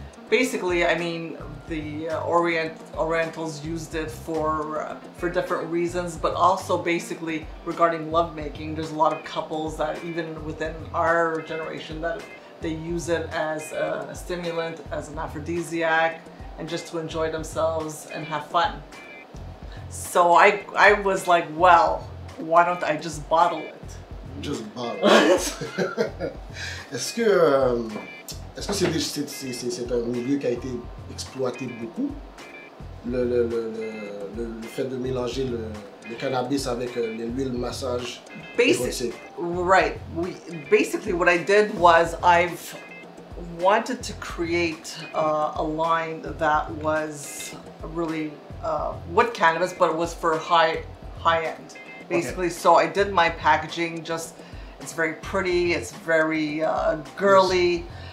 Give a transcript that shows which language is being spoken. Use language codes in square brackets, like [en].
[en] Basically, I mean, the Orientals used it for different reasons, but also basically regarding lovemaking, there's a lot of couples that even within our generation that they use it as a stimulant, as an aphrodisiac, and just to enjoy themselves and have fun. So I was like, well, why don't I just bottle it? Just bottle it. [fr] Est-ce que c'est un milieu qui a été exploité beaucoup? Le fait de mélanger le cannabis avec l'huile massage. [en] Right. Basically, what I did was I've wanted to create a line that was really with cannabis, but it was for high end. Basically, okay. So I did my packaging just, it's very pretty, it's very girly. Yes.